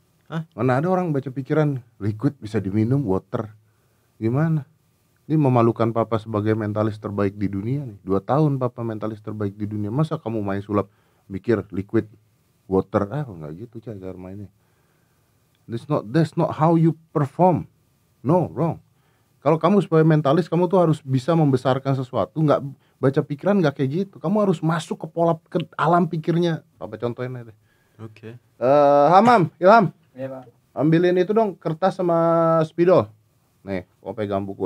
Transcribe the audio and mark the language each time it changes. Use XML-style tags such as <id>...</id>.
<id>Hah? Mana ada orang baca pikiran liquid bisa diminum water. Gimana? Ini memalukan Papa sebagai mentalis terbaik di dunia nih. 2 tahun Papa mentalis terbaik di dunia. Masa kamu main sulap mikir liquid water? Ah, enggak gitu cara mainnya.</id> <en>That's not how you perform. No, wrong.</en> <id>Kalau kamu sebagai mentalis, kamu tuh harus bisa membesarkan sesuatu, enggak baca pikiran enggak kayak gitu. Kamu harus masuk ke pola ke alam pikirnya. Papa contohin aja deh. Oke. Hamam, Ilham. Iya, Pak. Ambilin itu dong kertas sama spidol. Nih, gua pegang buku.</id>